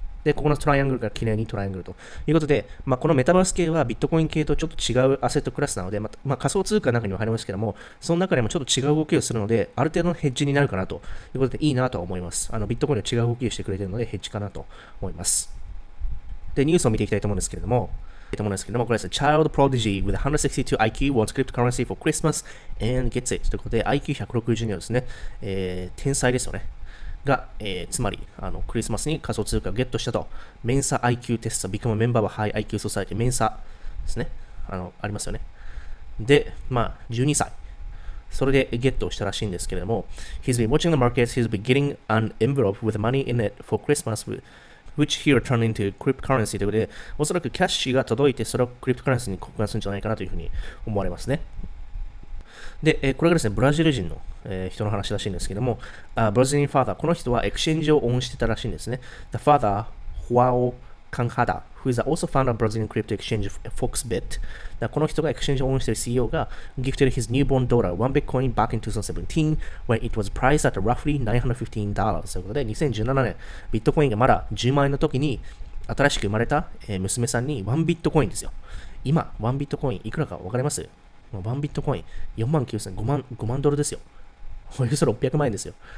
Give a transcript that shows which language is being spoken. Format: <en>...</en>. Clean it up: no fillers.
<ja>で、ここのトライアングルが綺麗にトライアングルということで、まあ、このメタバース系はビットコイン系とちょっと違うアセットクラスなので、まあ、仮想通貨の中にも入りますけども、その中でもちょっと違う動きをするので、ある程度のヘッジになるかなということで、いいなと思います。ビットコインは違う動きをしてくれているので、ヘッジかなと思います。で、ニュースを見ていきたいと思うんですけれども、これです。</ja> <en>Child Prodigy with 162 IQ wants cryptocurrency for Christmas and gets it</en> <ja>ということで、IQ162 ですね、天才ですよね。が、つまり、クリスマスに仮想通貨をゲットしたと、メンサ IQ テスト、ビクマメンバーはハイ IQ ソサイティ、メンサですね。ありますよね。で、まあ、12歳。</ja> <en>それでゲットしたらしいんですけれども、He's been watching the markets, he's been getting an envelope with money in it for Christmas, which he'll turn into cryptocurrency</en> <ja>ということで、おそらくキャッシュが届いて、それをクリプトカレンシーに交換するんじゃないかなというふうに思われますね。で、これがですね、ブラジル人の人の話らしいんですけれども、ブラジルのファーザー、この人はエクシェンジをオンしてたらしいんですね。</ja> <en>The father, Joao Canhada, who is also founder of Brazilian crypto exchange Foxbit,</en> <ja>だこの人がエクシェンジをオンしている CEO が、</ja> <en>gifted his newborn daughter one Bitcoin back in 2017 when it was priced at roughly $915.</en> <ja>ということで、2017年、ビットコインがまだ10万円の時に、新しく生まれた娘さんに1ビットコインですよ。今、1ビットコインいくらかわかります？ワンビットコイン、4万9000、5万ドルですよ。およそ600万円ですよ。</ja>